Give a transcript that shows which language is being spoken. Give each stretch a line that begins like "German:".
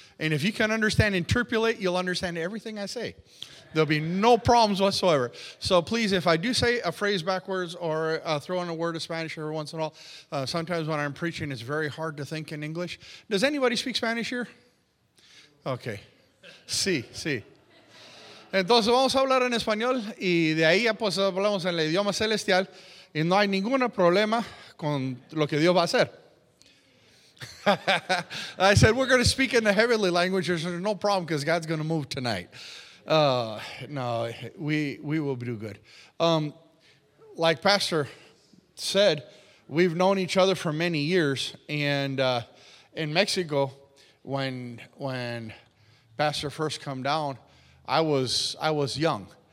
English: And if you can understand interpolate, you'll understand everything I say. There'll be no problems whatsoever. So please, if I do say a phrase backwards or throw in a word of Spanish every once in a while, sometimes when I'm preaching, it's very hard to think in English. Does anybody speak Spanish here?
Spanish: Okay. Sí, sí. Entonces vamos a hablar en español y de ahí ya pues hablamos en el idioma celestial y no hay ningún problema con lo que Dios va a hacer.
English: I said, we're going to speak in the heavenly languages. There's no problem because God's going to move tonight. No, we will do good. Like Pastor said, we've known each other for many years. And in Mexico, when Pastor first come down, I was young.